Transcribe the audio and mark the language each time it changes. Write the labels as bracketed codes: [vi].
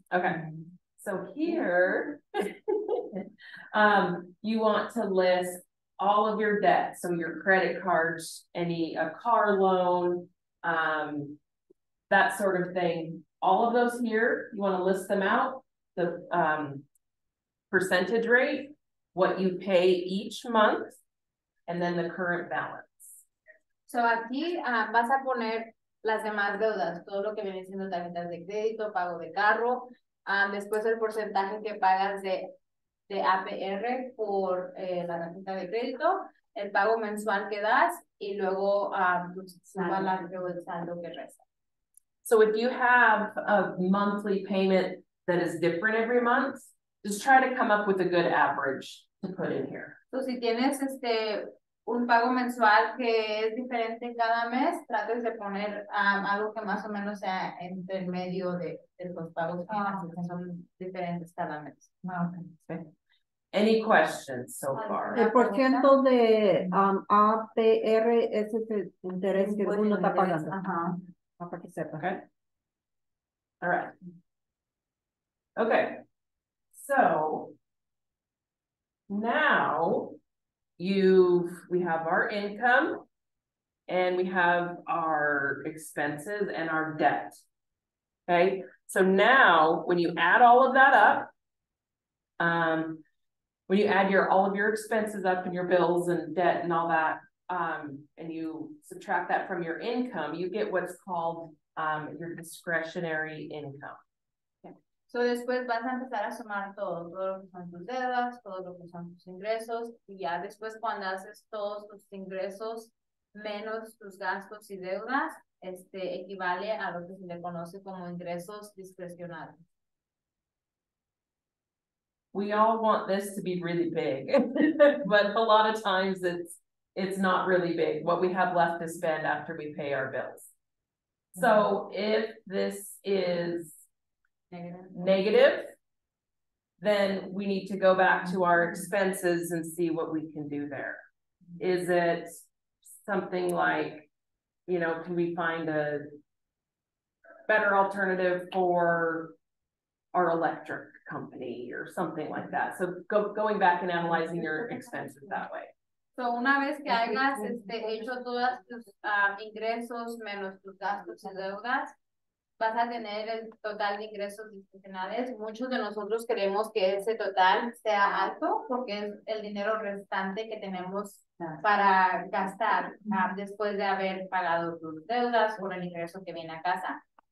[en] Okay, so here, you want to list all of your debt, so your credit cards, a car loan, that sort of thing. All of those here, you want to list them out, the percentage rate, what you pay each month, and then the current balance. [es] So aquí vas a poner las demás deudas, todo lo que viene siendo tarjetas de crédito, pago de carro, después el porcentaje que pagas de APR por la tarjeta de crédito, el pago mensual que das, y luego saldo que resta. [en] So if you have a monthly payment that is different every month, just try to come up with a good average to put in here. [es] So si tienes un pago mensual que es diferente cada mes, trates de poner algo que más o menos sea entre el medio de los pagos que son diferentes cada mes. [en] Any questions so far? [es] El porcentaje de APR es el interés que uno está pagando. Ajá. Para que sepa. Okay. [en] All right. [es] Okay. [en] So now we have our income and we have our expenses and our debt. Okay. So now when you add all of that up, when you add all of your expenses up and your bills and debt and all that, and you subtract that from your income, you get what's called your discretionary income. Okay. [es] So después vas a empezar a sumar todo lo que son tus deudas, todo lo que son tus ingresos, y ya después cuando haces todos tus ingresos menos tus gastos y deudas, equivale a lo que se le conoce como ingresos discrecionales. [en] We all want this to be really big, but a lot of times it's not really big. What we have left to spend after we pay our bills. So if this is negative, then we need to go back to our expenses and see what we can do there. Is it something like, you know, can we find a better alternative for our electric company or something like that? So going back and analyzing your expenses that way. [es] So una vez que hayas hecho todos tus ingresos menos tus gastos y deudas, vas a tener el total de ingresos disfuncionales. Muchos de nosotros queremos que ese total sea alto porque es el dinero restante que tenemos para gastar después de haber pagado tus deudas por el ingreso que viene a casa.